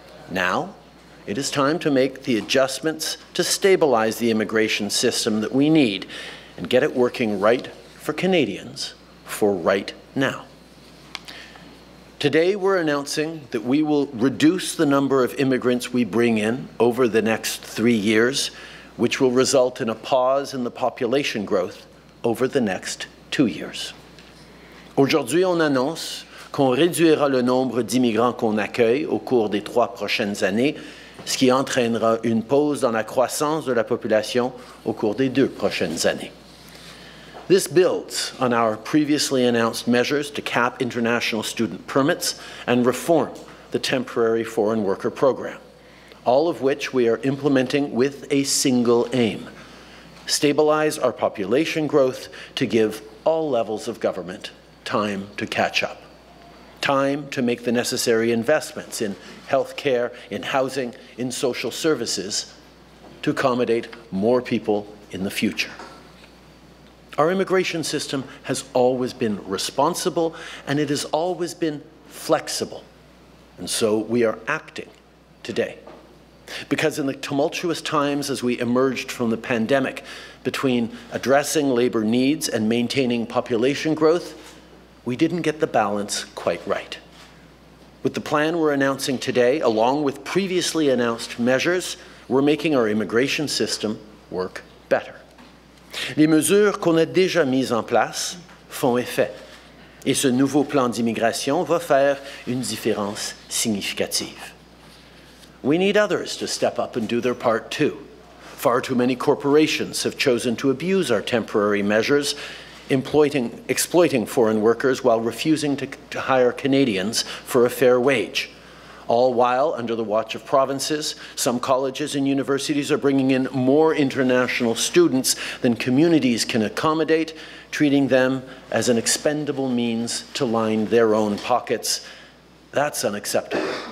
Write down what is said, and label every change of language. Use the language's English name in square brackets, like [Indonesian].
[English] Now, it is time to make the adjustments to stabilize the immigration system that we need and get it working right for Canadians for right now. Today, we're announcing that we will reduce the number of immigrants we bring in over the next 3 years, which will result in a pause in the population growth over the next 2 years. [French] Aujourd'hui, on annonce qu'on réduira le nombre d'immigrants qu'on accueille au cours des 3 prochaines années, ce qui entraînera une pause dans la croissance de la population au cours des 2 prochaines années. [English] This builds on our previously announced measures to cap international student permits and reform the temporary foreign worker program, all of which we are implementing with a single aim: stabilize our population growth to give all levels of government time to catch up, time to make the necessary investments in health care, in housing, in social services to accommodate more people in the future. Our immigration system has always been responsible and it has always been flexible. And so we are acting today. Because in the tumultuous times as we emerged from the pandemic, between addressing labor needs and maintaining population growth, we didn't get the balance quite right. With the plan we're announcing today, along with previously announced measures, we're making our immigration system work better. [French] Les mesures qu'on a déjà mises en place font effet, et ce nouveau plan d'immigration va faire une différence significative. [English] We need others to step up and do their part too. Far too many corporations have chosen to abuse our temporary measures, exploiting foreign workers while refusing to hire Canadians for a fair wage. All while under the watch of provinces, some colleges and universities are bringing in more international students than communities can accommodate, treating them as an expendable means to line their own pockets. That's unacceptable.